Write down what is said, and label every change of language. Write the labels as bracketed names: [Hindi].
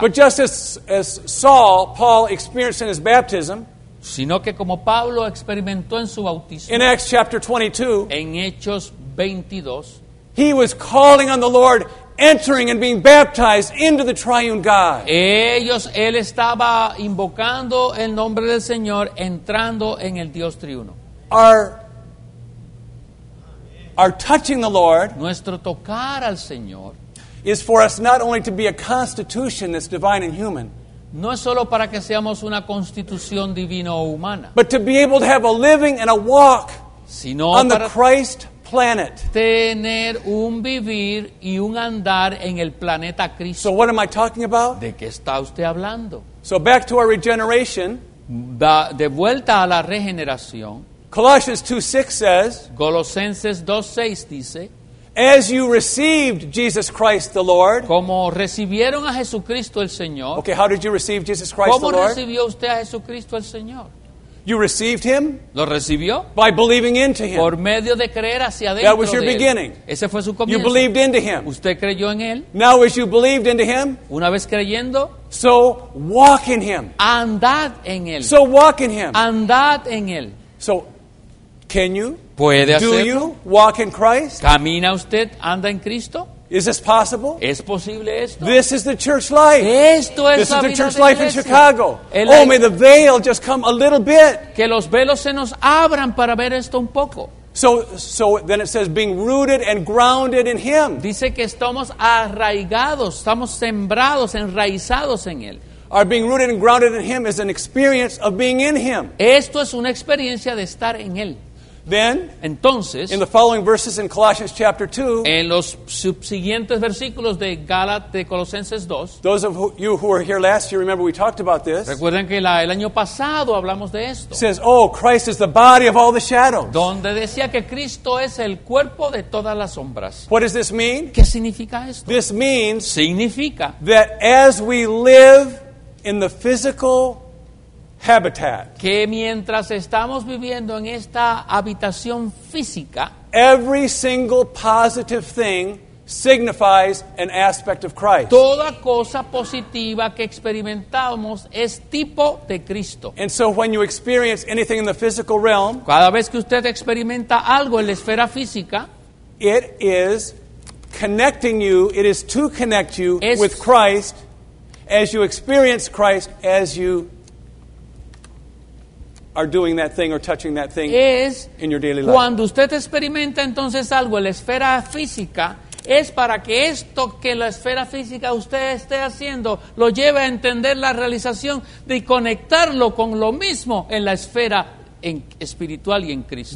[English] But just as Saul, Paul experienced in his baptism, [Spanish] sino que como Pablo experimentó en su bautismo, [English] in Acts chapter 22, [Spanish] en Hechos 22, [English] he was calling on the Lord, entering and being baptized into the triune God. [Spanish] Ellos, él estaba invocando el nombre del Señor, entrando en el Dios triuno. [English] Our touching the Lord, [Spanish] nuestro tocar al Señor, [English] is for us not only to be a constitution that's divine and human, [Spanish] no es solo para que seamos una constitución divina o humana, [English] but to be able to have a living and a walk [Spanish] sino [English] on the Christ planet. [Spanish] Tener un vivir y un andar en el planeta Cristo. [English] So what am I talking about? [Spanish] ¿De qué está usted hablando? [English] So back to our regeneration. [Spanish] De vuelta a la regeneración. [English] Colossians 2:6 says, [Spanish] Colosenses 2:6 dice, [English] as you received Jesus Christ the Lord. [Spanish] Como recibieron a Jesucristo el Señor. [English] Okay, how did you receive Jesus Christ the Lord? [Spanish] ¿Cómo recibió usted a Jesucristo el Señor? [English] You received him? [Spanish] ¿Lo recibió? [English] By believing into him. [Spanish] Por medio de creer hacia dentro. [English] That was your beginning. [Spanish] Ese fue su comienzo. [English] You believed into him. [Spanish] Usted creyó en él. [English] Now as you believed into him. [Spanish] Una vez creyendo. [English] So walk in him. [Spanish] Andad en él. [English] So walk in him. [Spanish] Andad en él. [English] So can you? [Spanish] ¿Puede hacerlo? [English] Do you walk in Christ? [Spanish] ¿Camina usted, anda en Cristo? [English] Is this possible? [Spanish] ¿Es posible esto? [English] This is the church life. [Spanish] Esto es [English] this [Spanish] la [English] is the [Spanish] vida [English] church life [Spanish] iglesia. [English] In Chicago. Oh, may the veil just come a little bit. [Spanish] Que los velos se nos abran para ver esto un poco. [English] So then it says being rooted and grounded in him. [Spanish] Dice que estamos arraigados, estamos sembrados, enraizados en él. [English] Our being rooted and grounded in him is an experience of being in him. [Spanish] Esto es una experiencia de estar en él. [English] Then, [Spanish] entonces, [English] in the following verses in Colossians chapter 2, [Spanish] en los subsiguientes versículos de Gálatas de Colosenses 2, [English] those of you who were here last year, remember we talked about this, [Spanish] recuerden que el año pasado hablamos de esto, [English] says, oh, Christ is the body of all the shadows, [Spanish] donde decía que Cristo es el cuerpo de todas las sombras. [English] What does this mean? [Spanish] ¿Qué significa esto? [English] This means [Spanish] significa [English] that as we live in the physical habitat. [Spanish] Que mientras estamos viviendo en esta habitación física, [English] every single positive thing signifies an aspect of Christ. [Spanish] Toda cosa positiva que experimentamos es tipo de Cristo. [English] And so when you experience anything in the physical realm, [Spanish] cada vez que usted experimenta algo en la esfera física, [English] it is connecting you, it is to connect you with Christ as you experience Christ, as you are doing that thing or touching that thing in your daily life. [Spanish] Cuando usted experimenta entonces algo en la esfera física, es para que esto que la esfera física usted esté haciendo lo lleve a entender la realización de conectarlo con lo mismo en la esfera espiritual y en Cristo.